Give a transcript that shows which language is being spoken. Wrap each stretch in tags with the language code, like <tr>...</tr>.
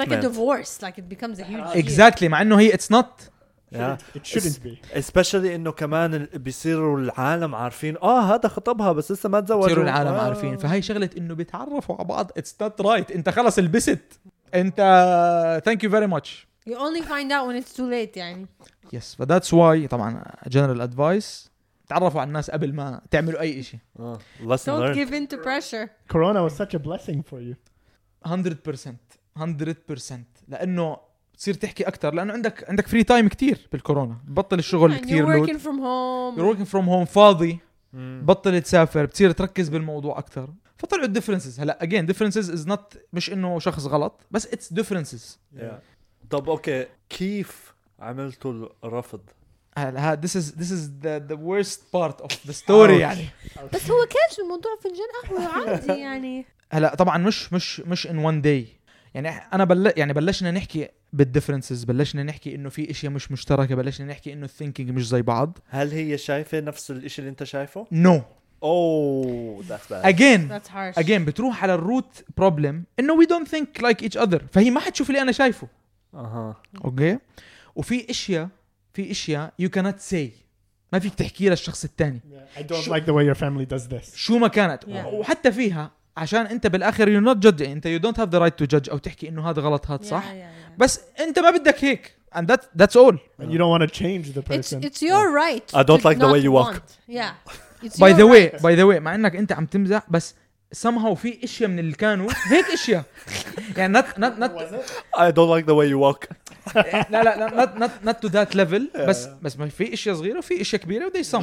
<en>It's like a divorce. Like it becomes a huge. Exactly.</en> <ar>مع إنه هي</ar> <en>it's not. Yeah. It shouldn't be.</en> <ar>Especially إنه كمان بيصيروا العالم عارفين هذا خطبها بس لسه ما تزوجوا بيصيروا العالم عارفين فهي شغلة إنه بيتعرفوا على بعض</ar> <en>It's not right</en> <ar>أنت خلص البست أنت</ar> <en>Thank you very much You only find out when it's too late</en> <ar>يعني</ar> <en>Yes but that's why</en> <ar>طبعا</ar> <en>general advice</en> <ar>تعرفوا على الناس قبل ما تعملوا أي إشي</ar> <en>Lesson Don't give in to pressure Corona was such a blessing for you</en> <ar>100% 100% لأنه تصير تحكي أكتر لأنه عندك</ar> <en>free time</en> <ar>كتير بالكورونا بطل الشغل yeah, كتير</ar> <en>you're working from home you're working from home</en> <ar>فاضي بطل تسافر بتصير تركز بالموضوع أكتر فطلعوا differences هلأ</ar> <en>again differences is not</en> <ar>مش إنه شخص غلط بس</ar> <en>it's differences yeah.</en> <ar>طب أوكي كيف عملتوا الرفض</ar> <en>this is the worst part of the story</en> <ar>يعني بس هو كانش الموضوع في الجنة هو عادي يعني هلأ طبعا مش</ar> <en>in one day</en> <ar>يعني أنا بلشنا نحكي بالdifferences بلشنا نحكي إنه في إشياء مش مشتركة بلشنا نحكي إنه thinking مش زي بعض هل هي شايفة نفس الإشي اللي أنت شايفه؟</ar> <en>No Oh that's bad Again That's harsh Again</en> <ar>بتروح على</ar> <en>root problem</en> <ar>إنه</ar> <en>we don't think like each other</en> <ar>فهي ما حتشوف اللي أنا شايفه uh-huh. Okay وفي إشياء</ar> <en>you cannot say</en> <ar>ما فيك تحكي للشخص الثاني</ar> <en>yeah. I don't like the way your family does this</en> <ar>شو ما كانت yeah. وحتى فيها عشان انت بالاخر</ar> <en>you're not judging</en> <ar>انت</ar> <en>you don't have the right to judge</en> <ar>او تحكي انه هذا غلط هذا صح</ar> <en>yeah, yeah, yeah.</en> <ar>بس انت ما بدك هيك</ar> <en>and that's all and you don't want to change the person it's your right I don't like the way you walk want. yeah it's by the right. way by the way</en> <ar>مع انك انت عم تمزح بس somehow في اشياء من اللي كانوا هيك اشياء يعني not</ar> <en>I don't like the way you walk</en> <ar>لا لا لا</ar> <en>not to that level</en> <ar>بس ما في اشياء صغيره وفي اشياء كبيره ودي some</ar>